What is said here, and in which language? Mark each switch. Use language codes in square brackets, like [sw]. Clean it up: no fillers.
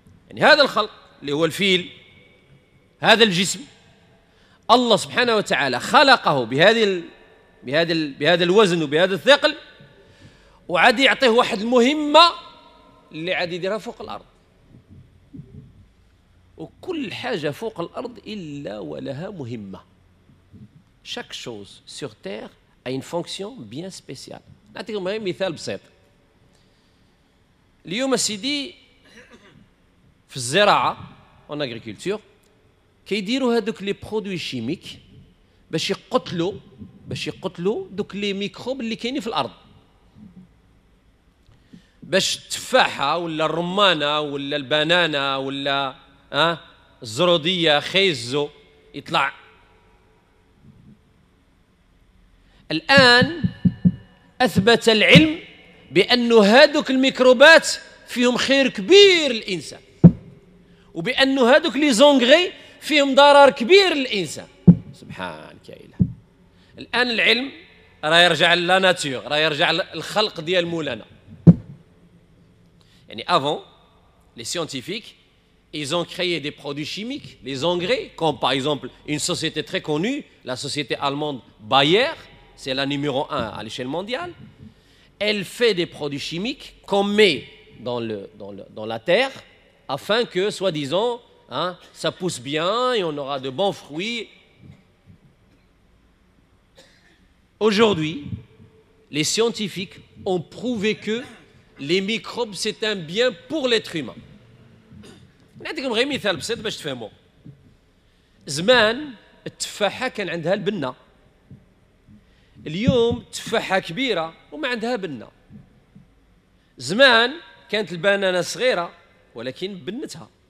[ar] يعني هذا الخلق اللي هو الفيل، هذا الجسم، الله سبحانه وتعالى خلقه بهذا الوزن وبهذا الثقل وعادي يعطيه واحد المهمة اللي عادي يديرها فوق الأرض، وكل حاجة فوق الأرض إلا ولها مهمة. [fr] chaque chose sur terre a une fonction bien spéciale. [ar] نعطيكم مثال بسيط. اليوم سيدي في الزراعة [fr] en agriculture [ar] كيديروا هادوك لي [fr] برودوي شيميك [ar] باش يقتلوا دوك لي ميكروب اللي كاينين في الأرض، باش التفاحة ولا الرمانة ولا البنانة ولا الزرودية خيزو يطلع. الآن أثبت العلم بأن هادوك الميكروبات فيهم خير كبير للإنسان، وبأن هادوك [fr] ليزونغري [ar] فيهم ضرر كبير للإنسان. سبحانك يا إله. الآن العلم راه يرجع للناتور، راه يرجع للخلق ديال مولانا. يعني [fr] افون لي سيونتيفيك ils ont créé des produits chimiques, les engrais, comme par exemple une société très connue, la société allemande Bayer, c'est la numéro un à l'échelle mondiale. Elle fait des produits chimiques qu'on met dans la terre afin que, soi-disant, hein, ça pousse bien et on aura de bons fruits. Aujourd'hui, les scientifiques ont prouvé que les microbes, c'est un bien pour l'être humain. [ar] نعطيكم غير مثال بسيط باش تفهموا. زمان التفاحة كان عندها البنة. اليوم تفاحة كبيرة وما عندها بنة. زمان كانت البنانة صغيرة ولكن بنتها.